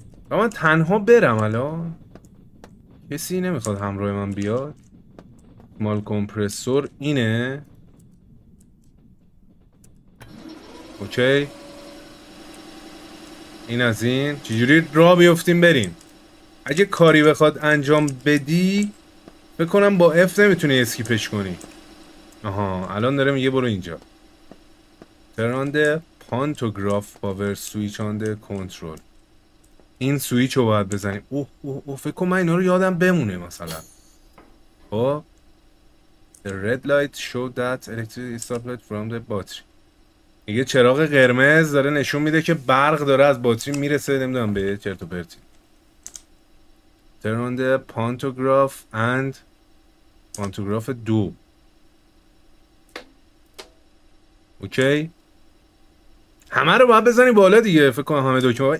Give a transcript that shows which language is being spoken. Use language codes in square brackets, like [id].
[fa] و من تنها برم الان؟ کسی نمیخواد همراه من بیاد؟ مال کمپرسور اینه؟ اوکی؟ این از این؟ چجوری را بیافتیم بریم؟ اگه کاری بخواد انجام بدی بکنم با F نمیتونی اسکیپش کنی. آها الان داره میگه برو اینجا. تراند پانتوگراف پاور سویچ آنده کنترل. این سویچ رو باید بزنیم. اوه فکر کنم من اینا رو یادم بمونه مثلا. [en] خب The red light show that electricity supplied from the battery. [fa] میگه چراغ قرمز داره نشون میده که برق داره از باتری میرسه. نمیدونم به چرت و پرتی. [en] Turn on the pantograph and pantograph 2. [fa] اوکی همه رو باید بزنی بالا دیگه فکر کنم همه دکمه.